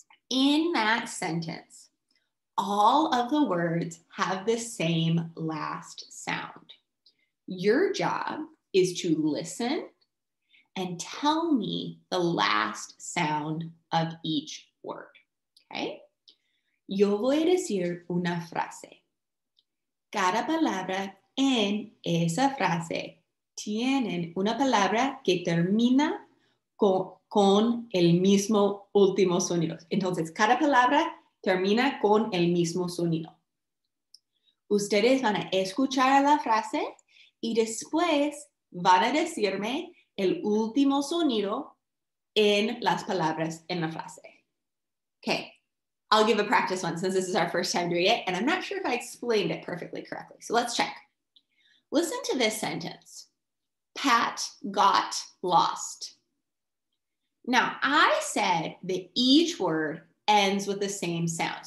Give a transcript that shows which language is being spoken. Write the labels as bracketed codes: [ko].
[en] In that sentence, all of the words have the same last sound. Your job is to listen and tell me the last sound of each word, okay? [es] Yo voy a decir una frase. Cada palabra en esa frase tienen una palabra que termina con el mismo último sonido. Entonces, cada palabra termina con el mismo sonido. Ustedes van a escuchar la frase y después van a decirme el último sonido en las palabras en la frase. [en] Okay, I'll give a practice one since this is our first time doing it, and I'm not sure if I explained it perfectly correctly. So let's check. Listen to this sentence. Pat got lost. Now, I said that each word ends with the same sound.